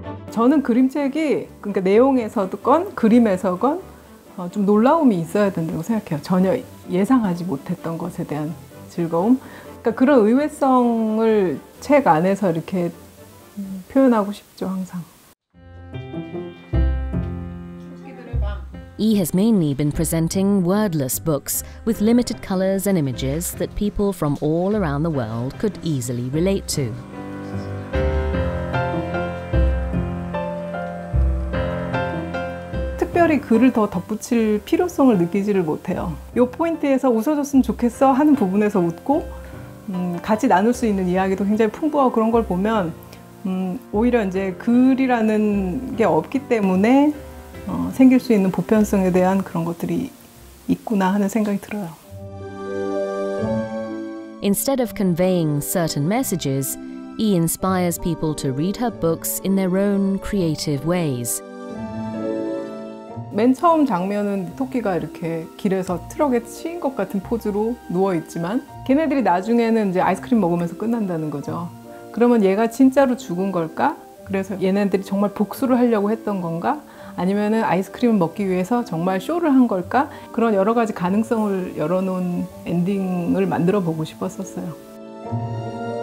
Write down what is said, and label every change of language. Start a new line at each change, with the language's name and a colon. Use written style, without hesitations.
Korean: 저는 그림책이 그러니까 내용에서건 그림에서건 좀 놀라움이 있어야 된다고 생각해요. 전혀 예상하지 못했던 것에 대한 즐거움. 그러니까 그런 의외성을 책 안에서 이렇게 표현하고 싶죠, 항상.
English: He has mainly been presenting wordless books with limited colors and images that people from all around the world could easily relate to.
Korean: 특별히 글을 더 덧붙일 필요성을 느끼지를 못해요. 이 포인트에서 웃어줬으면 좋겠어 하는 부분에서 웃고 같이 나눌 수 있는 이야기도 굉장히 풍부하고 그런 걸 보면 오히려 이제 글이라는 게 없기 때문에 생길 수 있는 보편성에 대한 그런 것들이 있구나 하는 생각이 들어요.
English: Instead of conveying certain messages, E inspires people to read her books in their own creative ways.
Korean: 맨 처음 장면은 토끼가 이렇게 길에서 트럭에 치인 것 같은 포즈로 누워 있지만 걔네들이 나중에는 이제 아이스크림 먹으면서 끝난다는 거죠. 그러면 얘가 진짜로 죽은 걸까? 그래서 얘네들이 정말 복수를 하려고 했던 건가? 아니면은 아이스크림을 먹기 위해서 정말 쇼를 한 걸까? 그런 여러 가지 가능성을 열어놓은 엔딩을 만들어 보고 싶었었어요.